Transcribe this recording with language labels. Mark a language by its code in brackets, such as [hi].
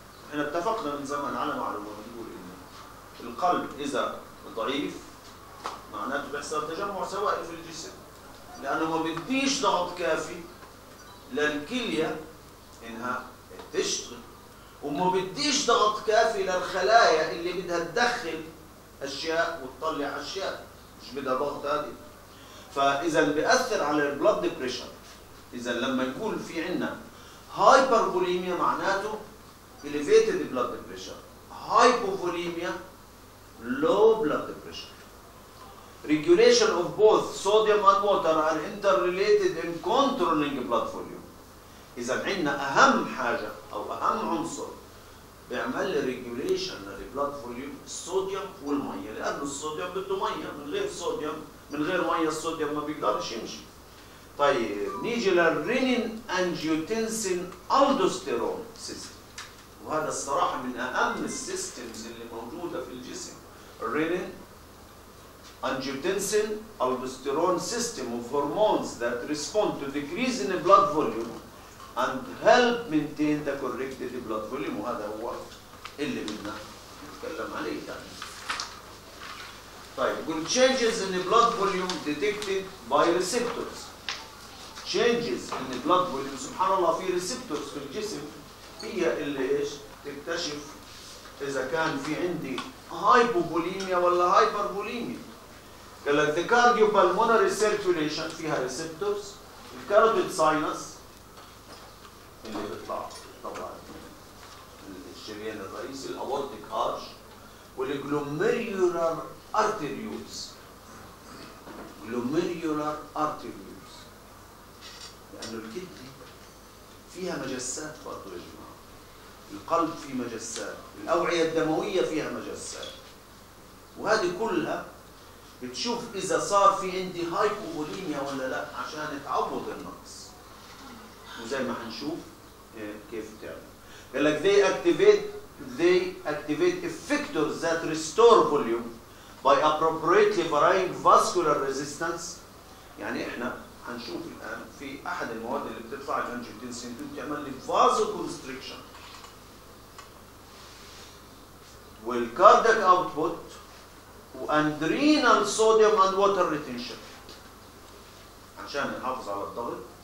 [ar] إحنا اتفقنا من زمان على معلومة بتقول إنه القلب إذا ضعيف معناته بيحصل تجمع سوائل في الجسم لانه ما بديش ضغط كافي للكليه انها تشتغل، وما بديش ضغط كافي للخلايا اللي بدها تدخل اشياء وتطلع اشياء، مش بدها ضغط عادي. فاذا بياثر على البلد بريشر اذا لما يكون في عندنا هايبربوليميا معناته [en] elevated blood pressure, hypovolemia low blood pressure. Regulation of both sodium and water are interrelated in controlling blood volume. [ar] اذا عندنا اهم حاجه او اهم عنصر بيعمل ريجوليشن للبلاد فوليوم الصوديوم والميه، لانه الصوديوم بده ميه، من غير صوديوم من غير ميه الصوديوم ما بيقدرش يمشي. طيب نيجي للرينين انجيوتنسين الدوستيرون سيستم، وهذا الصراحه من اهم السيستمز اللي موجوده في الجسم. [en] الرينين angiotensin aldosterone system of hormones that respond to decrease in blood volume and help maintain the corrected blood volume. [ar] وهذا هو اللي بدنا نتكلم عليه يعني. طيب يقول [en] changes in the blood volume detected by receptors. changes in the blood volume، [ar] سبحان الله في receptors في الجسم هي اللي ايش؟ تكتشف اذا كان في عندي hypovolemia ولا hypervolemia. قال لك [en] the cardiopulmonary circulation [ar] فيها receptors، the carotid sinus اللي بيطلع طبعا الشريان الرئيسي الاورتيك ارش والجلوميرولار ارتريوز. جلوميرولار ارتريوز لانه الكدي فيها مجسات برضه يا جماعه، القلب فيه مجسات، الاوعيه الدمويه فيها مجسات، وهذه كلها بتشوف اذا صار في عندي هايبوبوليميا ولا لا عشان تعوض النقص. وزي ما حنشوف كيف تعمل. قال لك [en] they activate effectors that restore volume by appropriately varying vascular resistance. [ar] يعني احنا هنشوف الان في احد المواد اللي بتطلع الانجيوتنسين بتعمل لي vasoconstriction والcardiac output [en] and renal sodium and water retention [ar] عشان نحافظ على الضغط.